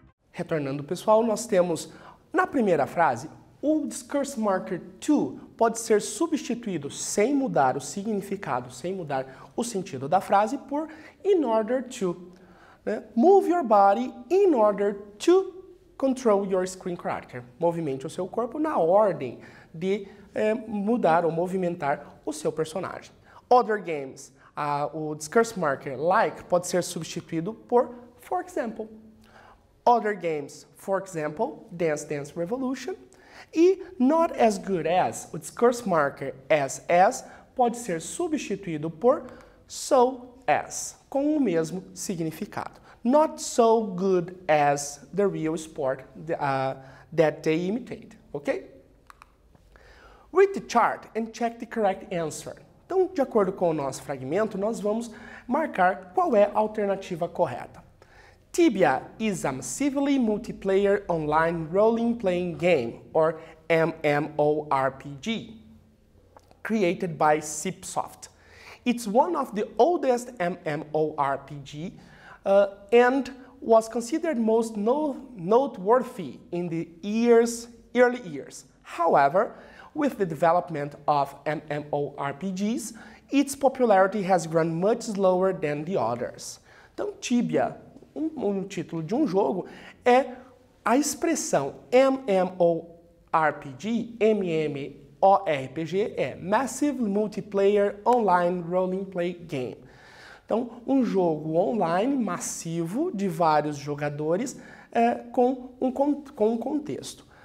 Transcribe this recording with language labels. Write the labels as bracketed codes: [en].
[pt] Retornando, pessoal, nós temos na primeira frase, o discourse marker to pode ser substituído sem mudar o significado, sem mudar o sentido da frase, por in order to. Né? [en] Move your body in order to control your screen character. [pt] Movimente o seu corpo na ordem de mudar ou movimentar o seu personagem. [en] Other games, [pt] o discourse marker like pode ser substituído por [en] for example. Other games, for example, Dance Dance Revolution. [pt] E [en] not as good as, [pt] o discourse marker as, pode ser substituído por so as, com o mesmo significado. [en] Not so good as the real sport that they imitate, ok? Read the chart and check the correct answer. [pt] Então, de acordo com o nosso fragmento, nós vamos marcar qual é a alternativa correta. [en] Tibia is a massively multiplayer online role-playing game, or MMORPG, created by Cipsoft. It's one of the oldest MMORPG and was considered most noteworthy in the early years. However, with the development of MMORPGs, its popularity has grown much slower than the others. [pt] Então, Tibia, um título de um jogo, é a expressão MMORPG, MMORPG é Massive Multiplayer Online Role-Play Game. Então, um jogo online massivo de vários jogadores com um contexto.